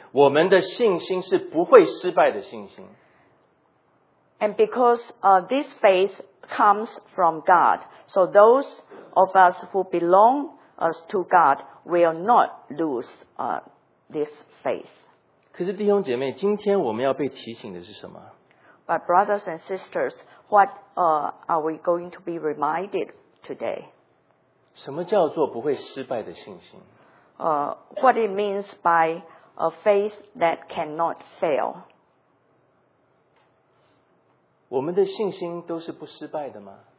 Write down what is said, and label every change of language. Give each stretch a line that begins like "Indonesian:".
Chinese: 也因为这个信心是从神而来的，所以属于神的人，我们的信心是不会失败的信心。
English: And because this faith comes from God, so those of us who belong to God will not lose this faith.
Chinese: 可是弟兄姐妹，今天我们要被提醒的是什么？
English: But brothers and sisters, what are we going to be reminded today?
Chinese: 什么叫做不会失败的信心？
English: What it means by a faith that cannot fail?
Chinese: 我们的信心都是不失败的吗？